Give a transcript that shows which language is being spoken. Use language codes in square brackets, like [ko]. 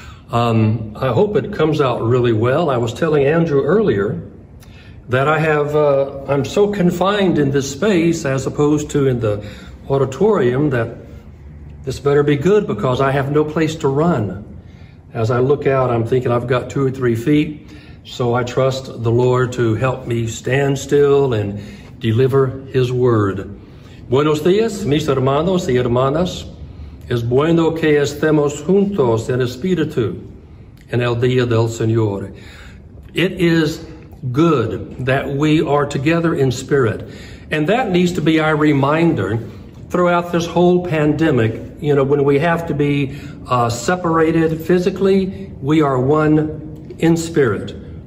[en] I hope it comes out really well. I was telling Andrew earlier that I'm so confined in this space as opposed to in the auditorium that this better be good because I have no place to run. As I look out, I'm thinking I've got 2 or 3 feet, so I trust the Lord to help me stand still and deliver His word. [es] Buenos días, mis hermanos y hermanas. Es bueno que estemos juntos en espíritu en el día del Señor. [en] It is good that we are together in spirit. And that needs to be our reminder throughout this whole pandemic. You know, when we have to be separated physically, we are one in spirit.